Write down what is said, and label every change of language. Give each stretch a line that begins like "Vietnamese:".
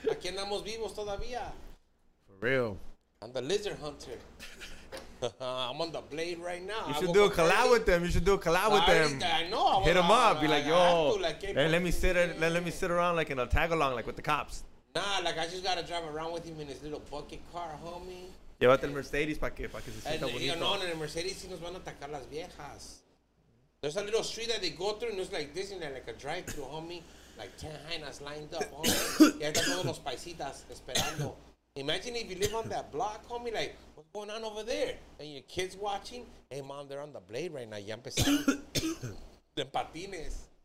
Spanish: Aquí andamos vivos todavía.
English: For real. I'm the lizard hunter. I'm on the blade right now. You should do a collab with them. I know. Hit them up. Be like, yo. Let me sit around like in a tag along, like with the cops. Nah, like I just gotta drive around with him in his little bucket car, homie.
Spanish: Llévate el Mercedes para que se sienta bonito. No, en el Mercedes sí nos van a atacar las viejas.
English: There's a little street that they go through, and it's like this, and like a drive through, homie. Like 10 hyenas lined up, homie. Y ahí están todos los paisitas esperando. Imagine if you live on that block, homie. Like, what's going on over there? And your kids watching. Hey, mom, they're on the blade right now. Ya empezaron. De patines.